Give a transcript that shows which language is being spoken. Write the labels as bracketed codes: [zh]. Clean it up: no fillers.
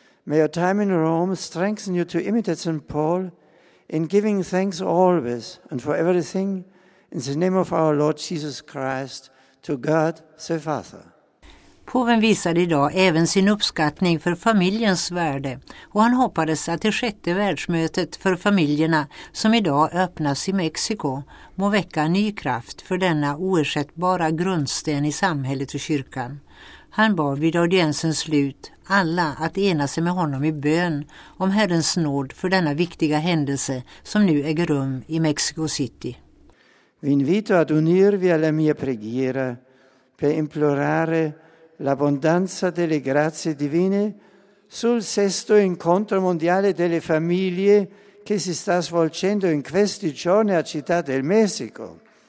[en] May your time in Rome strengthen you to imitate St. Paul in giving thanks always and for everything in the name of our Lord Jesus Christ. To God, the Father. [sv] Påven visade idag även sin uppskattning för familjens värde och han hoppades att det sjätte världsmötet för familjerna som idag öppnas i Mexiko må väcka ny kraft för denna oersättbara grundsten i samhället och kyrkan. Han bad vid audiensens slut alla att ena sig med honom i bön om Herrens nåd för denna viktiga händelse som nu äger rum i Mexico City. [it] Vi invito ad unirvi alla mia preghiera per implorare l'abbondanza delle grazie divine sul sesto incontro mondiale delle famiglie che si sta svolgendo in questi giorni a Città del Messico.